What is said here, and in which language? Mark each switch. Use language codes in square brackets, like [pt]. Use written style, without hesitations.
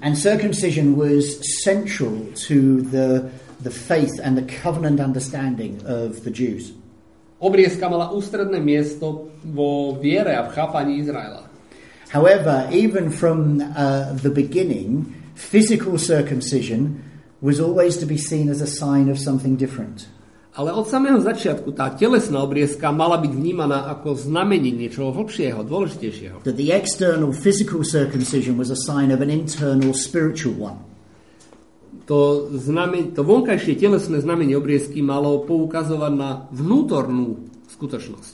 [en] And circumcision was central to the faith and the covenant understanding of the Jews. [sk] Obriezka mala ústredné miesto vo viere a v chápaní Izraela. [en] However, even from the beginning, physical circumcision was always to be seen as a sign of something different. [sk] Ale od samého začiatku tá telesná obriezka mala byť vnímaná ako znamenie niečoho hlbšieho, dôležitejšieho. [en] That the external physical circumcision was a sign of an internal spiritual one. [sk] To vonkajšie telesné znamenie obriezky malo poukazovať na vnútornú skutočnosť.